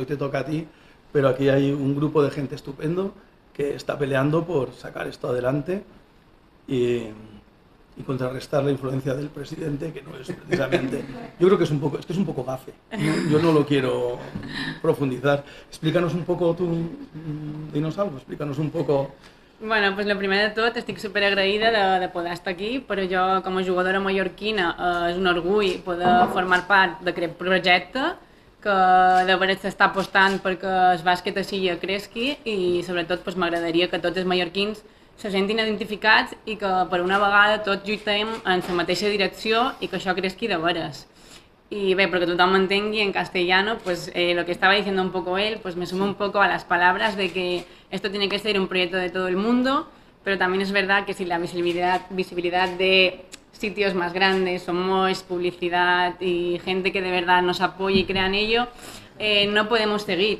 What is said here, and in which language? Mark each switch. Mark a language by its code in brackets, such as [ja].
[es] Hoy te toca a ti, pero aquí hay un grupo de gente estupendo que está peleando por sacar esto adelante y contrarrestar la influencia del presidente, que no es precisamente... Yo creo que es un poco gafe. Yo no lo quiero profundizar. Explícanos un poco tú, dinos algo, explícanos un poco... [ca] Bueno, pues lo primer de tot, estic super agraïda de poder estar aquí, però jo com a jugadora mallorquina és un orgull poder formar part d'aquest projecte que de veritat s'està apostant perquè el bàsquet així ja cresqui i sobretot pues, m'agradaria que tots els mallorquins se sentin identificats i que per una vegada tots lluitem en la mateixa direcció i que això cresqui de veres. [es] Y ve, porque tú también entiendes en castellano, pues lo que estaba diciendo un poco él, pues me sumo un poco a las palabras de que esto tiene que ser un proyecto de todo el mundo, pero también es verdad que si la visibilidad de sitios más grandes, somos publicidad y gente que de verdad nos apoya y crea en ello, no podemos seguir.